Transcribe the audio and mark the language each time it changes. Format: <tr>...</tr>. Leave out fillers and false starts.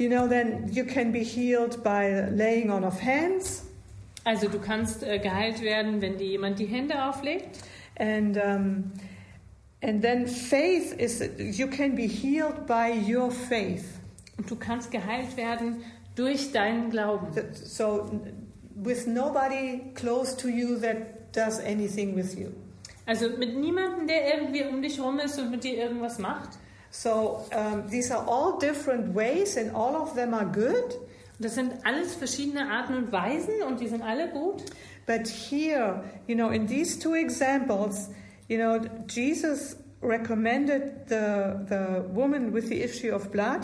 <en>Then you can be healed by laying on of hands.</en> <de>Also du kannst geheilt werden, wenn dir jemand die Hände auflegt.</de> <en>And then faith is, you can be healed by your faith.</en> <de>Und du kannst geheilt werden durch deinen Glauben.</de> <en>So with nobody close to you that does anything with you.</en> <de>Also mit niemandem, der irgendwie um dich rum ist und mit dir irgendwas macht.</de> <en>So these are all different ways and all of them are good.</en> <de>Das sind alles verschiedene Arten und Weisen und die sind alle gut.</de> <en>But here, in these two examples, Jesus recommended the woman with the issue of blood.</en>